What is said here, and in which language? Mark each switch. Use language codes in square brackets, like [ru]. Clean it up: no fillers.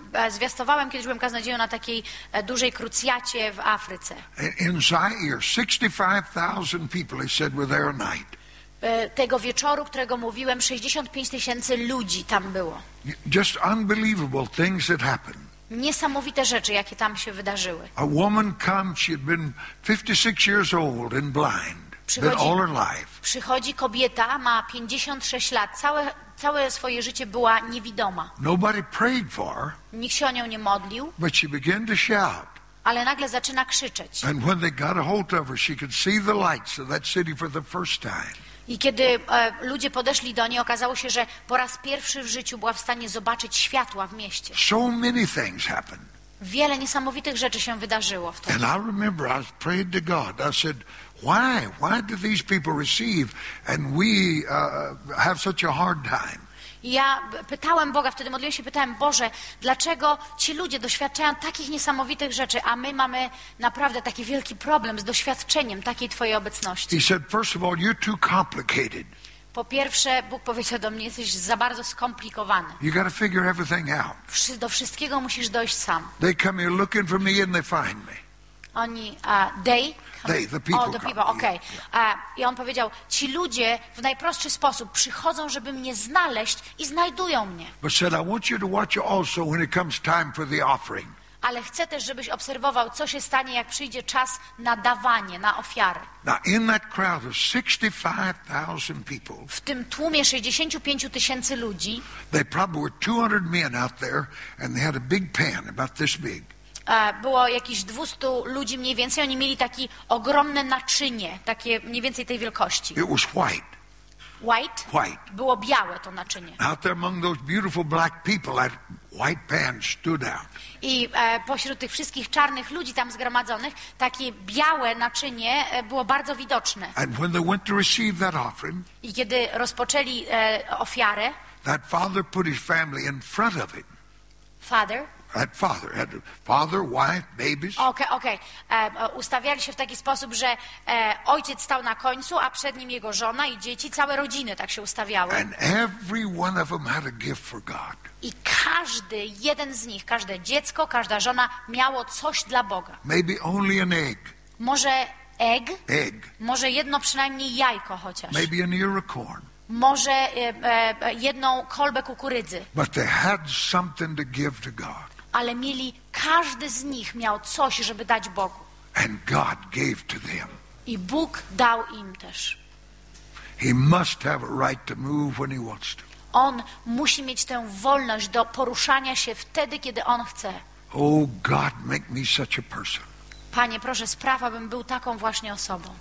[pl] Zwiastowałem, kiedyś byłem kaznodzieją na takiej dużej krucjacie w Afryce. [en] In Zaire, 65,000 people, they said, were there at night. [pl] Tego wieczoru, którego mówiłem, 65 tysięcy ludzi tam było. [en] Just unbelievable things that happened. [pl] Niesamowite rzeczy, jakie tam się wydarzyły. [en] A woman came, she had been 56 years old and blind, been all her life. [pl] Przychodzi kobieta, ma 56 lat, całe swoje życie była niewidoma. [en] Nobody prayed for her. [pl] Nikt się o nią nie modlił. [en] But she began to shout. [pl] Ale nagle zaczyna krzyczeć. [en] And when they got a hold of her, she could see the lights of that city for the first time. [pl] I kiedy ludzie podeszli do niej, okazało się, że po raz pierwszy w życiu była w stanie zobaczyć światła w mieście. [en] So many things happened. [pl] Wiele niesamowitych rzeczy się wydarzyło wtedy. [en] And I remember I prayed to God. I said, why do these people receive and we have such a hard time? [pl] Ja pytałem Boga, wtedy modliłem się, pytałem: Boże, dlaczego ci ludzie doświadczają takich niesamowitych rzeczy, a my mamy naprawdę taki wielki problem z doświadczeniem takiej Twojej obecności? [en] He said, first of all, you're too complicated. [pl] Po pierwsze, Bóg powiedział do mnie, jesteś za bardzo skomplikowany. [en] You gotta figure everything out. [pl] Do wszystkiego musisz dojść sam. [en] They come here looking for me and they find me. [pl] Oni, they? [en] They, the people. Oh, the people, okay. [pl] I on powiedział, ci ludzie w najprostszy sposób przychodzą, żeby mnie znaleźć i znajdują mnie. [en] But said, I want you to watch also when it comes time for the offering. [pl] Ale chcę też, żebyś obserwował, co się stanie, jak przyjdzie czas na dawanie, na ofiary. [en] Now in that crowd of 65,000 people, [pl] w tym tłumie 65 tysięcy ludzi, [en] they probably were 200 men out there and they had a big pan, about this big. [pl] Było jakieś 200 ludzi mniej więcej. Oni mieli takie ogromne naczynie, takie mniej więcej tej wielkości. [en] It was white. White? White. [pl] Było białe to naczynie. [en] Out there among those beautiful black people, that white pan stood out. [pl] I pośród tych wszystkich czarnych ludzi tam zgromadzonych, takie białe naczynie było bardzo widoczne. [en] And when they went to receive that offering, [pl] i kiedy rozpoczęli ofiarę, [en] that father put his family in front of it. Father? That father had a father, wife, babies. Okay. [pl] Ustawiali się w taki sposób, że ojciec stał na końcu, a przed nim jego żona i dzieci, całe rodziny tak się ustawiały. [en] And every one of them had a gift for God. [pl] I każdy jeden z nich, każde dziecko, każda żona miało coś dla Boga. [en] Maybe only an egg. [pl] Może egg? [en] Egg. [pl] Może jedno przynajmniej jajko chociaż. [en] Maybe an ear of corn. [pl] Może jedną kolbę kukurydzy. [en] But they had something to give to God. [pl] Ale mieli, każdy z nich miał coś, żeby dać Bogu. [en] And God gave to them. [pl] I Bóg dał im też. [en] He must have a right to move when he wants to. [pl] On musi mieć tę wolność do poruszania się wtedy, kiedy on chce. [en] Oh God, make me such a person. [pl] Panie, proszę, spraw, abym był taką właśnie osobą.